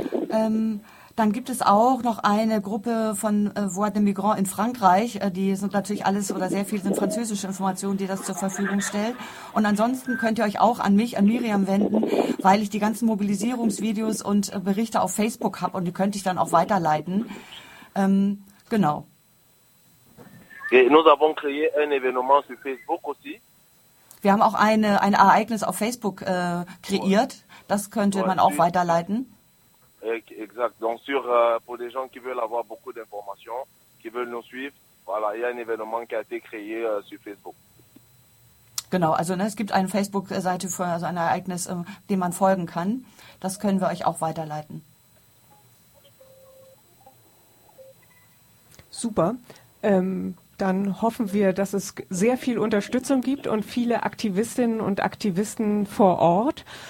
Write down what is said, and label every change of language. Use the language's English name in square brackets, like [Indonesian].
[German] Dann gibt es auch noch eine Gruppe von Voix des Migrants in Frankreich. Die sind natürlich alles oder sehr viel sind französische Informationen, die das zur Verfügung stellen. Und ansonsten könnt ihr euch auch an mich, an Miriam wenden, weil ich die ganzen Mobilisierungsvideos und Berichte auf Facebook habe und die könnte ich dann auch weiterleiten. Genau. [French] Et nous avons créé un événement sur Facebook aussi. [German] Wir haben auch ein Ereignis auf Facebook kreiert. Das könnte man auch weiterleiten. [French] Exact. Donc sur pour des gens qui veulent avoir beaucoup d'informations, qui veulent nous suivre, voilà, il y a un événement qui a été créé sur Facebook. [German] Genau. Also ne, es gibt eine Facebook-Seite für also ein Ereignis, dem man folgen kann. Das können wir euch auch weiterleiten. Super. Dann hoffen wir, dass es sehr viel Unterstützung gibt und viele Aktivistinnen und Aktivisten vor Ort.